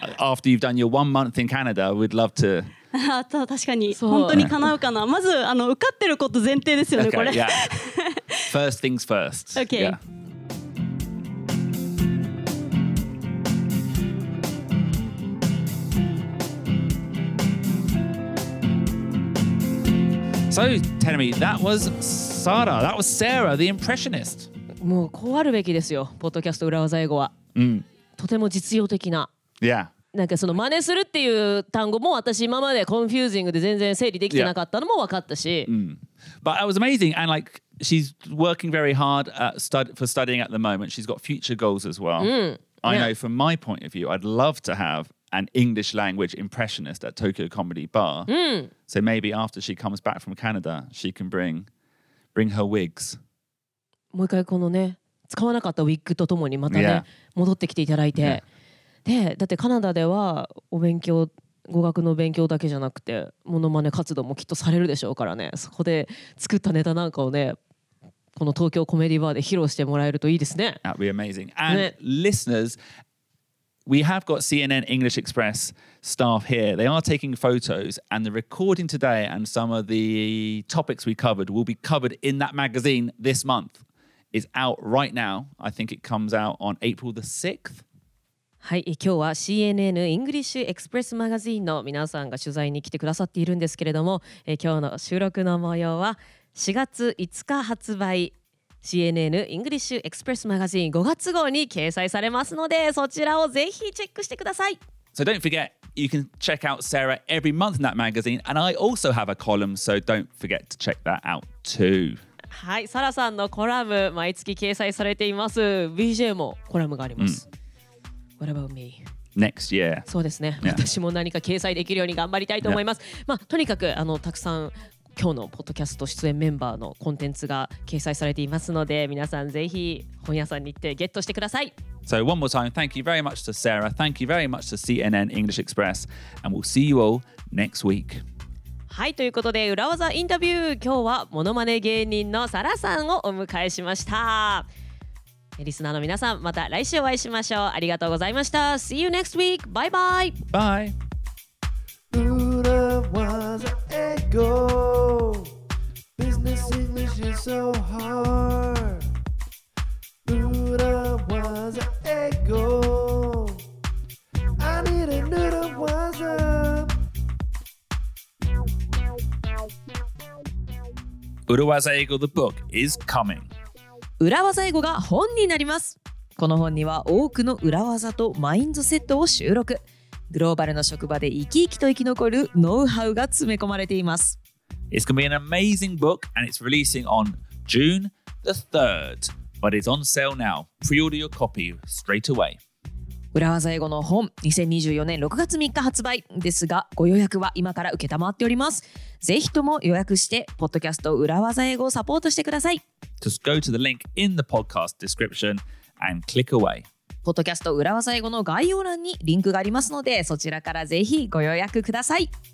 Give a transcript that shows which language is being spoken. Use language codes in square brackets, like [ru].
[en] After you've done your 1 month in Canada, we'd love to. [ja] 確かに本当に叶うかな。まず受かってること前提ですよね、 [en] okay, [ja] これ。 [en] Yeah. First things first. Okay.、 Yeah. So, Tenemi, that was Sara, the impressionist. [ja] もうこうあるべきですよ、ポッドキャスト裏技英語は、うん、とても実用的な、 yeah. なんかその真似するっていう単語も私今までコンフュージングで全然整理できてなかったのも分かったし、 yeah. [en] But it was amazing and like she's working very hard at for studying at the moment. She's got future goals as well、うん、 I know from my point of view I'd love to haveAn English language impressionist at Tokyo Comedy Bar.、うん、 so maybe after she comes back from Canada, she can bring her wigs. [ja] もう一回このね、使わなかったウィッグとともにまたね、 [en] yeah. [ja] 戻ってきていただいて、yeah. で、だってカナダではお勉強、語学の勉強だけじゃなくてモノマネ活動もきっとされるでしょうからね。そこで作ったネタなんかをね、この東京コメディバーで披露してもらえるといいですね。 [en] That'd be amazing. And、ね、listeners. We have got CNN English Express staff here. They are taking photos and the recording today and some of the topics we covered will be covered in that magazine this month. It's out right now. I think it comes out on April the 6th. [ja] はい、今日は CNN イングリッシュエクスプレスマガジンの皆さんが取材に来てくださっているんですけれども、今日の収録の模様は4月5日発売CNN イングリッシュエクスプレスマガジン5月号に掲載されますので、そちらをぜひチェックしてください。 [en] So don't forget, you can check out Sarah every month in that magazine, and I also have a column, so don't forget to check that out too. [ja] はい、サラさんのコラム毎月掲載されています。 VJ もコラムがあります。 [en] What about me? Next year. [ja] そうですね、 [en] yeah. [ja] 私も何か掲載できるように頑張りたいと思います、 [en] yeah. [ja] まあ、とにかくたくさん今日のポッドキャスト出演メンバーのコンテンツが掲載されていますので、皆さんぜひ本屋さんに行ってゲットしてください。 [en] So one more time, thank you very much to Sarah. Thank you very much to CNN English Express. And we'll see you all next week. [ja] はい、ということで裏技インタビュー、今日はモノマネ芸人のサラさんをお迎えしました。リスナーの皆さん、また来週お会いしましょう。ありがとうございました。 [en] See you next week. Bye bye. Bye. Ura waza ego. Business English is so hard. Ura waza ego. I need a ura waza. Ura waza ego, the book is coming. [ja] 裏技英語が本になります。この本には多くの裏技とマインドセットを収録、グローバルな職場で生き生きと生き残るノウハウが詰め込まれています。 [en] It's going to be an amazing book and it's releasing on June the 3rd but it's on sale now. Pre-order your copy straight away. [ja] 裏技英語の本2024年6月3日発売ですが、ご予約は今から受けたまっております。ぜひとも予約してポッドキャスト裏技英語をサポートしてください。 [en] Just go to the link in the podcast description and click away. [ja] ポッドキャスト裏技英語の概要欄にリンクがありますので、そちらからぜひご予約ください。